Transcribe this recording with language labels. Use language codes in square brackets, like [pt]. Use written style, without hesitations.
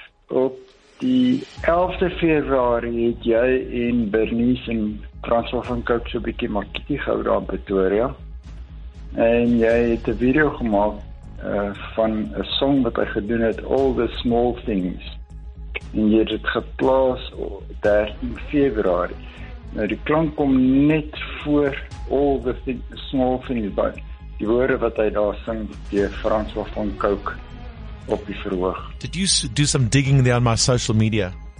[af] Op die 11de februari het jy en Bernice en François van Kouk so bietjie makietie gehou daar in Pretoria. En jy het 'n video gemaak van 'n song wat hy gedoen het, All the Small Things. En jy het geplaas 13 februari. Nou die klank kom net voor All the Small Things by. Die woorde wat hy daar sing, die François van Kouk op die verhoog. [en] Did you do some digging there on my social media?